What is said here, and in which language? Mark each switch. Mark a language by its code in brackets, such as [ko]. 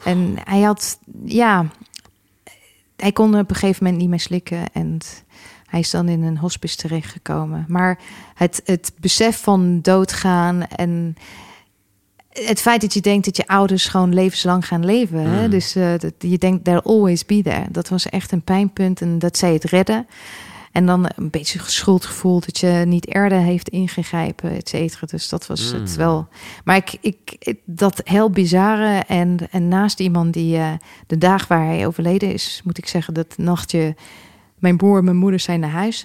[nl] En hij had, hij kon op een gegeven moment niet meer slikken. En hij is dan in een hospice terechtgekomen. Maar het besef van doodgaan en het feit dat je denkt dat je ouders gewoon levenslang gaan leven. Hè? Dus je denkt, [en] they'll always be there. [nl] Dat was echt een pijnpunt en dat zij het redden. En dan een beetje schuldgevoel dat je niet eerder heeft ingegrepen, et cetera. Dus dat was het wel. Maar ik dat heel bizarre. En naast iemand die de dag waar hij overleden is, moet ik zeggen, dat nachtje, mijn broer en mijn moeder zijn naar huis.